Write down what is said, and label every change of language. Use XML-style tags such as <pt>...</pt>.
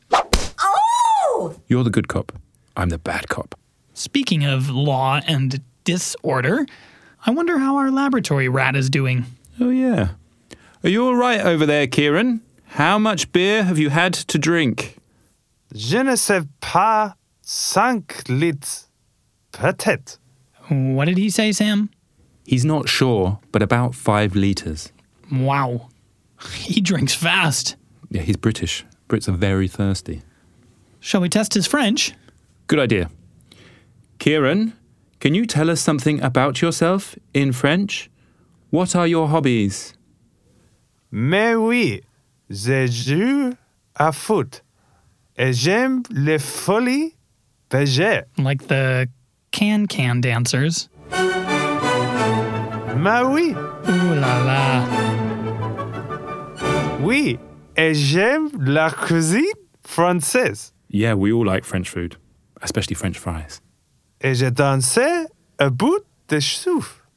<en>Oh! You're the good cop. I'm the bad cop. Speaking of law and disorder, I wonder how our laboratory rat is doing. Oh, yeah. Are you all right over there, Kieran? How much beer have you had to drink?</en> <fr>Je ne sais pas, 5 litres, peut-être.</fr> <en>What did he say, Sam? He's not sure, but about 5 litres. Wow. He drinks fast. Yeah, he's British. Brits are very thirsty. Shall we test his French? Good idea. Kieran, can you tell us something about yourself in French? What are your hobbies?</en> <fr>Mais oui. Je joue à foot et j'aime les folies Paget.</fr> <en>Like the can-can dancers.</en> <fr>Mais oui. Ooh la la. Oui, et j'aime la cuisine française.</fr> <en>Yeah, we all like French food, especially French fries.</en> <fr>Et je danse à bout de souffle.</fr>